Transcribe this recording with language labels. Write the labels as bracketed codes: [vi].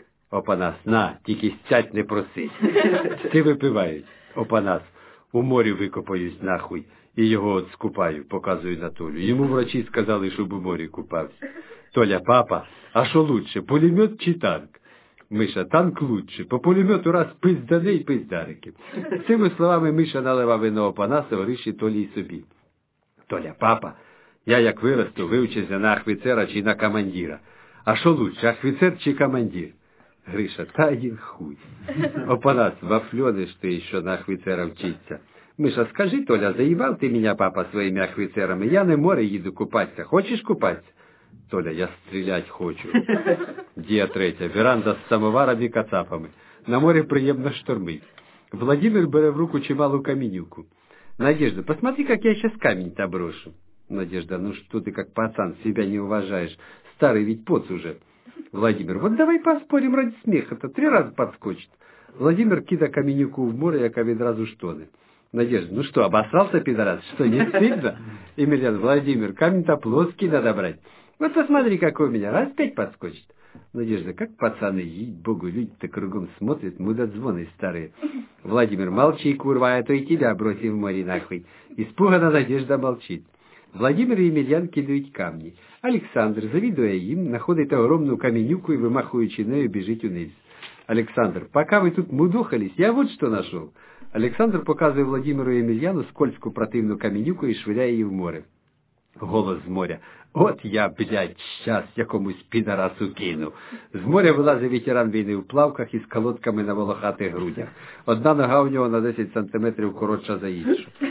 [uk] Опанас, на, тільки сядь не просить. Ти випиваєш. Опанас, у морі викопаюсь нахуй. І його от скупаю, показую на Толю. Йому врачі сказали, щоб у морі купався. Толя, папа, а що лучше, пулемет чи танк? Миша, танк лучше, по пулемету раз пизданий пиздарики. Цими словами Миша наливав вино Опанасу, Гриші, Толі й собі. Толя, папа, я як виросту, вивчуся на офіцера чи на командира. А що лучше, офіцер чи командир? Гриша, та один хуй. Опанас, вафльониш ти, що на офіцера вчиться. Миша, скажи, Толя, заїбав ти мене, папа, своїми офіцерами? Я не море їду купатися. Хочеш купатися? Толя, я стрілять хочу. Дія третя. Веранда з самоварами і кацапами. На морі приємно штормить. Владимир бере в руку чималу камінюку. Надежда, [ru] посмотри, [uk] як я зараз камінь-то [ru] брошу. [uk] Надежда, ну що ти, як пацан, себе не вважаєш. Старий [ru] ведь [uk] поц уже. [ru] Владимир, вот давай поспорим ради смеха, то три раза подскочит. [uk] Владимир кида камінюку в море, яка відразу штоне. [ru] Надежда, ну что, обосрался, пидорас, что, не стыдно? Емельян, Владимир, камень-то плоский надо брать. Вот посмотри, какой у меня, раз пять подскочит. Надежда, как пацаны, ей-богу, люди-то кругом смотрят, мудозвоны старые. Владимир, молчи, курва, а то и тебя бросим в море нахуй. Испуганно Надежда молчит. Владимир и Емельян кидают камни. Александр, завидуя им, находит огромную каменюку и, вымахуючи нею, бежит униз. Александр, пока вы тут мудохались, я вот что нашел. [uk] Александр показує Владимиру і Емельяну скользьку противну камінюку і швиряє її в море. Голос з моря. От я, блядь, щас якомусь підарасу кину. З моря вилазить ветеран війни в плавках із колодками на волохатих грудях. Одна нога у нього на 10 сантиметрів коротша за іншу.